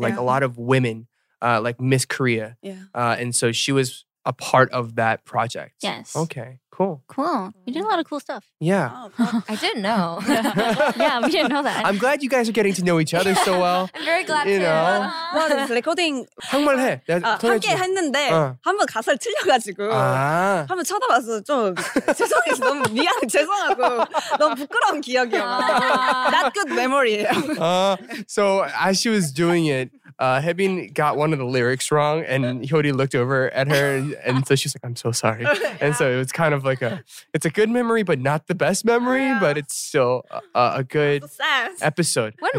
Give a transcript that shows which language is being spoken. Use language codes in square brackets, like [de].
[en] Like a lot of women, like Miss Korea. Yeah. And so she was a part of that project. Yes. Okay. Cool. You did a lot of cool stuff. Yeah. Oh, I didn't know. Yeah, we didn't know that. I'm glad you guys are getting to know each other so well. I'm very glad too. You know. Well, this recording… [ko] 한말해. 함께 했는데 한번 가사를 틀려가지고 한번 쳐다봐서 좀 죄송해서 너무 미안해. 죄송하고 너무 부끄러운 기억이야. [en] Not good memory. So as she was doing it, Hebin got one of the lyrics wrong and Hyori looked over at her and so she's like, I'm so sorry. And so it was kind of like it's a good memory but not the best memory, but it's still a good episode.